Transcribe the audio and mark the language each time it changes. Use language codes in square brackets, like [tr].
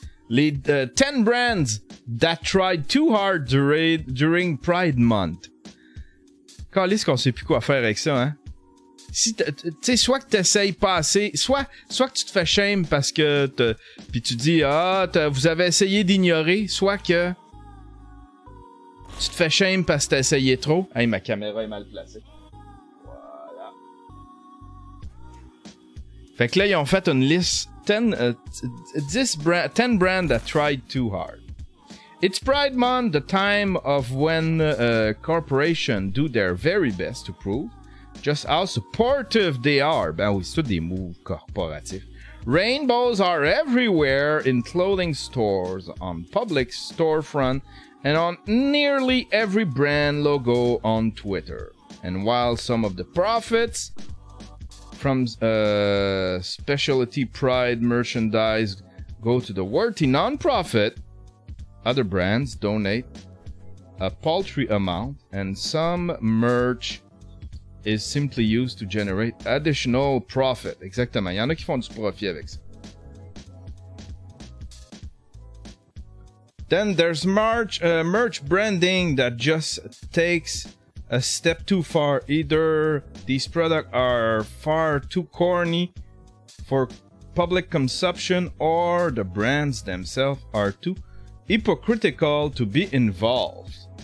[en] Les 10 brands that tried too hard during Pride Month. [fr] Calisse qu'on sait plus quoi faire avec ça, hein? Si tu sais, soit que t'essayes pas assez, soit que tu te fais shame parce que puis tu dis vous avez essayé d'ignorer, soit que tu te fais shame parce que t'as essayé trop. Hey, ma caméra est mal placée. Voilà. Fait que là, ils ont fait une liste [en] 10 brand that tried too hard. It's Pride Month, the time of when corporations do their very best to prove just how supportive they are. [fr] Ben oui, c'est tout des moves corporatifs. [en] Rainbows are everywhere in clothing stores, on public storefront, and on nearly every brand logo on Twitter. And while some of the profits from specialty Pride merchandise go to the worthy nonprofit, other brands donate a paltry amount, and some merch is simply used to generate additional profit. [fr] Exactement. Il y en a qui font du profit avec ça. [en] Then there's merch branding that just takes a step too far. Either these products are far too corny for public consumption, or the brands themselves are too hypocritical to be involved.